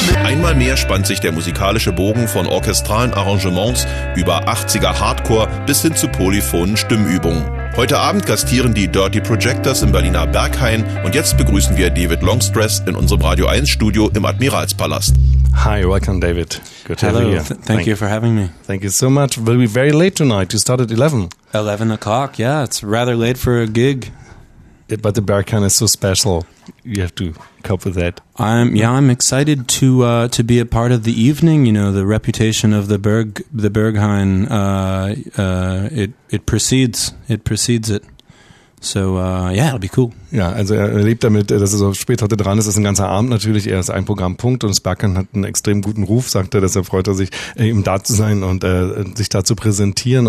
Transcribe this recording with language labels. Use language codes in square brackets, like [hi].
[de] Einmal mehr spannt sich der musikalische Bogen von orchestralen Arrangements über 80er Hardcore bis hin zu polyphonen Stimmübungen. Heute Abend gastieren die Dirty Projectors im Berliner Berghain und jetzt begrüßen wir David Longstreth in unserem Radio 1 Studio im Admiralspalast. [en] Hi, welcome David. Good to have you here. Thank you for having me. Thank you so much. We'll be very late tonight. You start at 11. 11 o'clock, yeah. It's rather late for a gig. Yeah, but the Berghain is so special. You have to cope with that. I'm excited to be a part of the evening. You know, the reputation of the Berghain it precedes it. So it'll be cool. [de] Ja, also er lebt damit, dass er so spät heute dran ist. Das ist ein ganzer Abend natürlich. Er ist ein Programmpunkt und das Berghain hat einen extrem guten Ruf, sagt er, dass er freut, sich eben da zu sein und sich da zu präsentieren.